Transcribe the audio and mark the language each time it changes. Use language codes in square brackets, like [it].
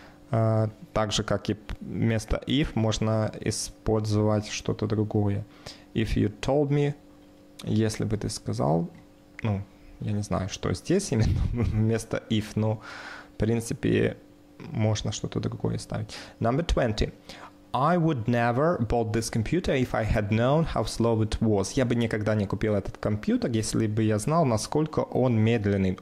[ru] Так же, как и вместо if можно использовать что-то другое. [en] If you told me, [ru] если бы ты сказал, ну, я не знаю, что здесь именно вместо if, но в принципе можно что-то другое ставить. [en] Number 20. I would never bought this computer if I had known how slow it was. [ru] Я бы никогда не купил этот компьютер, если бы я знал, насколько он медленный.